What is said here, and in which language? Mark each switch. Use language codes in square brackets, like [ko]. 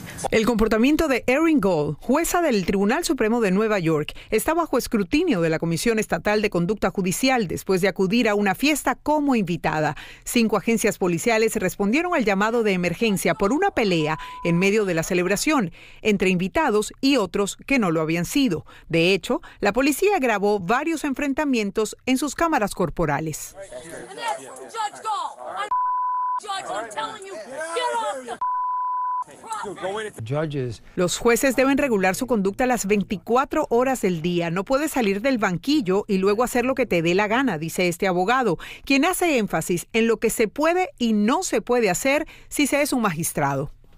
[es] El comportamiento de Erin Gall, jueza del Tribunal Supremo de Nueva York, está bajo escrutinio de la Comisión Estatal de Conducta Judicial después de acudir a una fiesta como invitada. 5 agencias policiales respondieron al llamado de emergencia por una pelea en medio de la celebración entre invitados y otros que no lo habían sido. De hecho, la policía grabó varios enfrentamientos en sus cámaras corporales. [en] Judge Gall, I'm telling you, get off the [es] Los jueces deben regular su conducta las 24 horas del día. No puedes salir del banquillo y luego hacer lo que te dé la gana, dice este abogado, quien hace énfasis en lo que se puede y no se puede hacer si se es un magistrado.